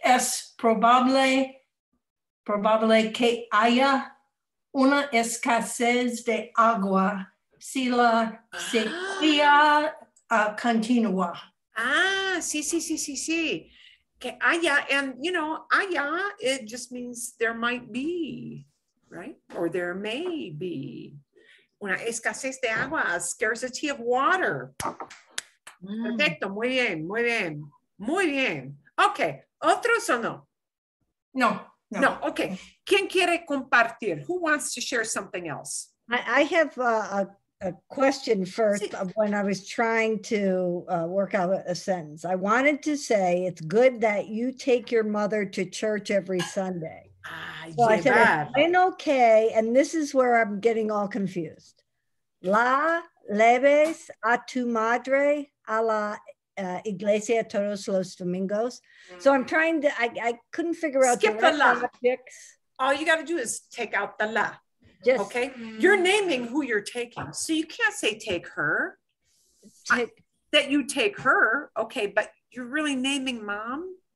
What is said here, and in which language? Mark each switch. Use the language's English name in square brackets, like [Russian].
[Spanish] Es probable que haya una escasez de agua si la sequía continúa. Ah, sí. Que haya, [English] and you know, haya, it just means there might be, right? Or there may be. [Spanish] Una escasez de agua, [English] scarcity of water. Mm. [Spanish] Perfecto, muy bien. Okay, ¿otros o no? No, [English] okay. [Spanish] ¿Quién quiere compartir? [English] Who wants to share something else? I have a question first of when I was trying to work out a sentence. I wanted to say, it's good that you take your mother to church every Sunday. Ah, so I said, bien, okay, and this is where I'm getting all confused. [Spanish] La leves a tu madre a la iglesia todos los domingos. [English] So I'm trying to, I couldn't figure out. Skip the la. Objects. All you got to do is take out the la. Yes. Okay, you're naming who you're taking, so you can't say take her, that you take her, okay, but you're really naming mom.